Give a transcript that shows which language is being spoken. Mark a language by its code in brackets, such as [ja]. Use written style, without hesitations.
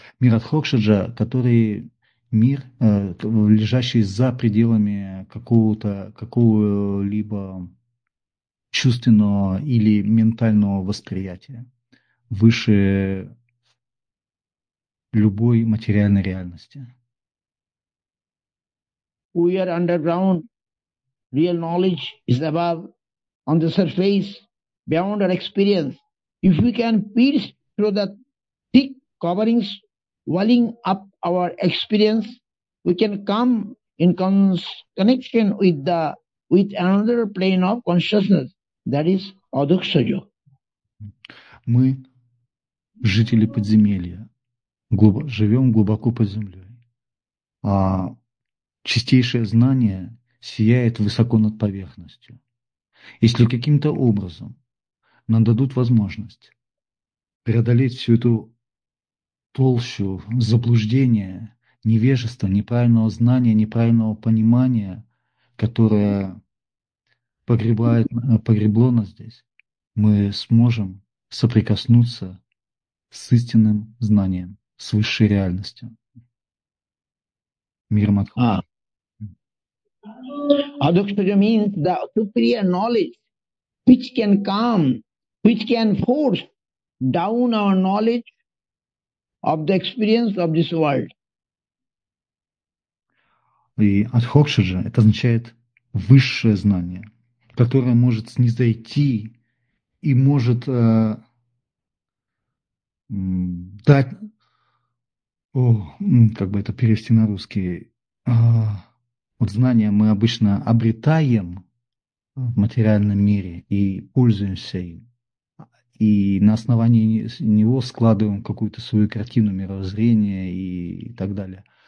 [ru] Мир Адхокшаджа, который мир, лежащий за пределами какого-либо чувственного или ментального восприятия, выше любой материальной реальности. [en] We are underground. Real knowledge is above, on the surface, beyond our experience. If we can pierce through the thick coverings, walling up our experience, we can come in connection with another plane of consciousness, that is Adhokshaja. [ru] Мы жители подземелья, живем глубоко под землей, а чистейшее знание сияет высоко над поверхностью. Если каким-то образом нам дадут возможность преодолеть всю эту толщу заблуждения, невежества, неправильного знания, неправильного понимания, которое погребло нас здесь, мы сможем соприкоснуться с истинным знанием, с высшей реальностью. Миром Адхокша. [en] Adhokshaja means the superior knowledge which can force down our knowledge of the experience of this world. [ru] И Адхокша же, это означает высшее знание, которое может снизойти и может дать, о, как бы это перевести на русский, вот знания мы обычно обретаем в материальном мире и пользуемся им, и на основании него складываем какую-то свою картину мировоззрения и так далее.